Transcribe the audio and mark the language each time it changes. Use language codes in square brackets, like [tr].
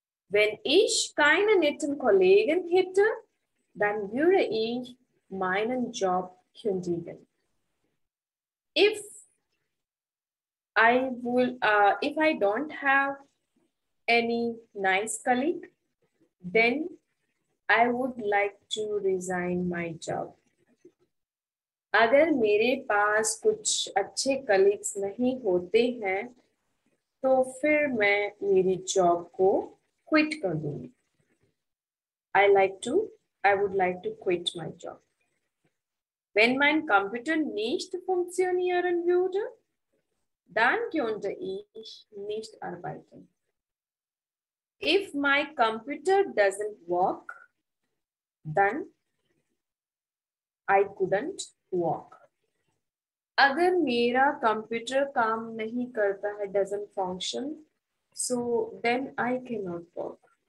[de] Wenn ich keine netten Kollegen hätte, dann würde ich meinen Job kündigen. [en] If I don't have any nice colleague, then I would like to resign my job. [hi] अगर मेरे पास कुछ अच्छे colleagues नहीं होते हैं, तो फिर मैं मेरी job को quit कर दूँगी. [en] I would like to quit my job. [de] Wenn mein Computer nicht funktionieren würde, dann könnte ich nicht arbeiten. [en] If my computer doesn't work, then I couldn't walk. [hi] Agar mera computer kaam nahi karta hai, [en] doesn't function, so then I cannot walk.